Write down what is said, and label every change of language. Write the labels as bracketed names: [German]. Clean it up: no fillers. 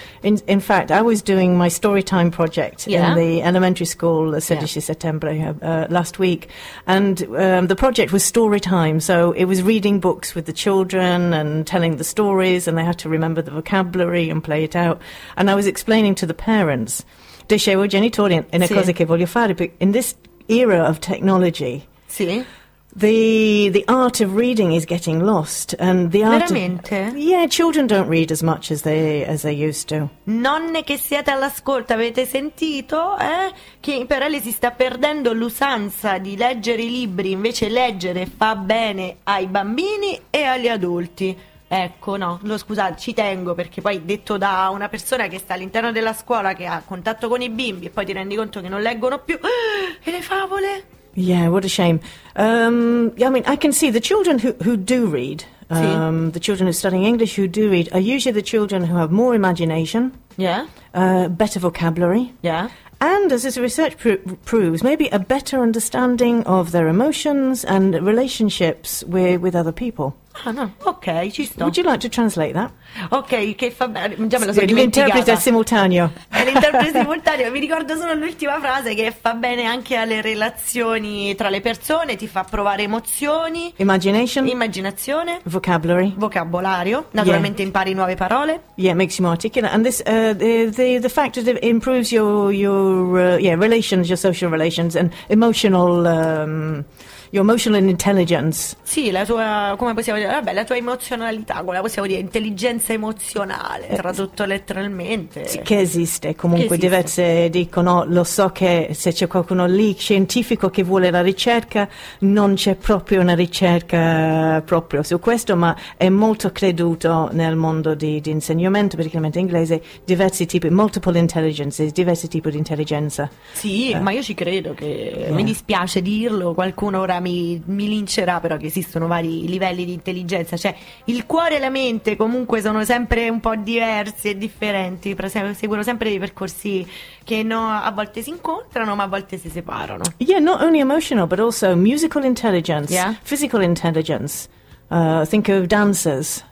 [English] In fact, I was doing my story time project in the elementary school, [Italian] 16 settembre, [English] last week, and the project was story time, so it was reading books with the children and telling the stories, and they had to remember the vocabulary and play out. And I was explaining to the parents, [Italian] dicevo ai genitori, è una cosa che voglio fare, [English] but in this era of technology, the art of reading is getting lost, and the art [Italian] veramente? [English] Of, yeah, children don't read as much as they used to. [Italian] Nonne che siete all'ascolto, avete sentito, che però lei si sta perdendo l'usanza di leggere i libri, invece leggere fa bene ai bambini e agli adulti. Ecco, no, lo scusate, ci tengo, perché poi detto da una persona che sta all'interno della scuola, che ha contatto con i bimbi, e poi ti rendi conto che non leggono più. E le favole? [English] Yeah, what a shame. I mean, I can see the children who do read, The children who are studying English who do read are usually the children who have more imagination. Yeah. Better vocabulary. Yeah. And, as this research proves, maybe a better understanding of their emotions and relationships with other people. [Italian] Ah, no. Ok, ci sto. [English] Would you like to translate that? [Italian] Ok, che fa bene. Già me lo sono dimenticata. L'interprete simultaneo. Mi ricordo solo l'ultima frase, che fa bene anche alle relazioni tra le persone, ti fa provare emozioni. [English] Imagination. [Italian] Immaginazione. [English] Vocabulary. [Italian] Vocabolario. Naturalmente, yeah, impari nuove parole. [English] Yeah, makes you more articulate. And this, the fact that it improves your relations, your social relations and emotional... your emotional and intelligence. [Italian] Sì, la tua, come possiamo dire, vabbè, la tua emozionalità, come possiamo dire, intelligenza emozionale, tradotto letteralmente. Sì, che esiste, comunque che esiste. Diverse dicono, lo so che se c'è qualcuno lì, scientifico, che vuole la ricerca, non c'è proprio una ricerca proprio su questo, ma è molto creduto nel mondo di insegnamento, particolarmente inglese, diversi tipi, [English] multiple intelligences, [Italian] diversi tipi di intelligenza. Sì, ma io ci credo che, mi dispiace dirlo, qualcuno ora mi lincerà, però, che esistono vari livelli di intelligenza, cioè il cuore e la mente comunque sono sempre un po' diversi e differenti, però seguono sempre dei percorsi che no, a volte si incontrano ma a volte si separano. [English] Yeah, not only emotional but also musical intelligence, yeah, physical intelligence, think of dancers,